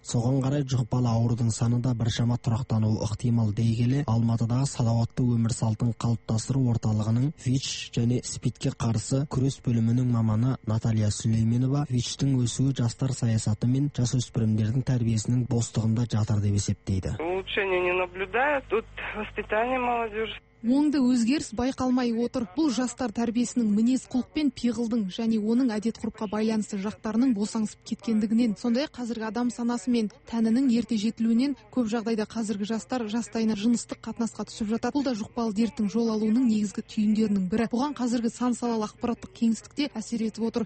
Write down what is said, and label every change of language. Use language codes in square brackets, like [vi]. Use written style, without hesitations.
[kk] Соған қарай жұқпалы аурудың саны да біршама тұрақтануы ықтимал дей келе, Алматыдағы салауатты өмір салтын қалыптастыру орталығының ВИЧ және СПИДке қарсы күрес бөлімінің маманы Наталья Сүлейменова ВИЧтің өсуі жастар саясаты мен жасөспірімдердің тәрбиесінің бостығында жатыр деп есептейді. [ru] Улучшения не наблюдают, тут воспитание молодежи. [kk] Оңды өзгеріс байқалмай отыр. Бұл жастар тәрбиесінің мінез құлық пен пиғылдың және оның әдет ғұрыпқа байланысты жақтарының босаңсып кеткендігінен, сондай қазіргі адам санасы мен тәнінің ерте жетілуінен көп жағдайда қазіргі жастар жастайына жыныстық қатынасқа түсіп жатады. Бұл да жұқпалы дерттің жол алуының негізгі түйіндерінің бірі. Бұған қазіргі сан салалы ақпараттық кеңістікте әсер етіп отыр.